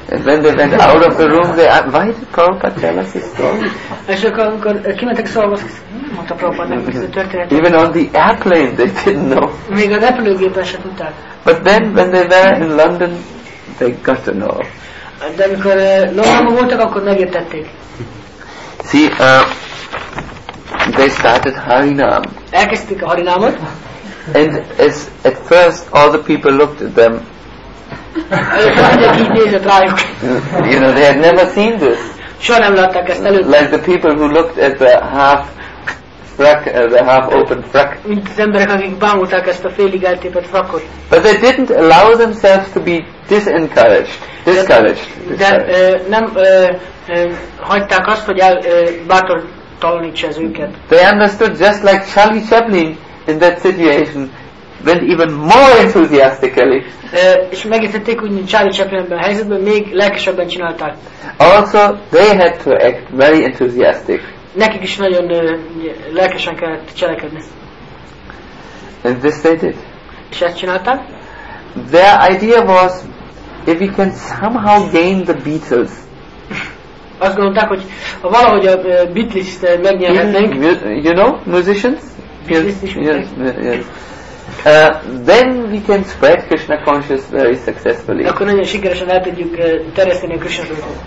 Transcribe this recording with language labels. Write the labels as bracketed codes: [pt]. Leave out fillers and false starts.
[en] And when they went out of the room, they asked, why did Prabhupada tell us a story? Even on the airplane, they didn't know. But then, when they were in London, they got to know. [hu] De amikor Londonban voltak, akkor megértették. [en] See, they started Harinam. [hu] Elkezdték a Harinámot. [en] And as at first all the people looked at them You know, they had never seen this. [hu] Soha nem látták ezt előtt. [en] Like the people who looked at the half frack, the half open frack. [hu] Mint az emberek, akik bámulták ezt a félig eltépett frackot. [en] But they didn't allow themselves to be discouraged. [hu] De nem hagyták azt, hogy bátortalanítsa ez őket. [en] They understood, just like Charlie Chaplin in that situation, went even more enthusiastically. [hu] És megértették, hogy Charlie Chaplin ebben a helyzetben még lelkesebben csinálták. [en] Also, they had to act very enthusiastic. [hu] Nekik is nagyon lelkesen kellett cselekedni. [en] And this they did. [hu] És ezt csinálták? [en] Their idea was, if we can somehow gain the Beatles. [hu] Azt gondolták, hogy ha valahogy a Beatles megnyerhetnénk. [en] You know, musicians? Yes. Then we can spread Krishna consciousness very successfully. [hu] Akkor nagyon sikeresen el tudjuk terjeszteni a Krishna tudatot.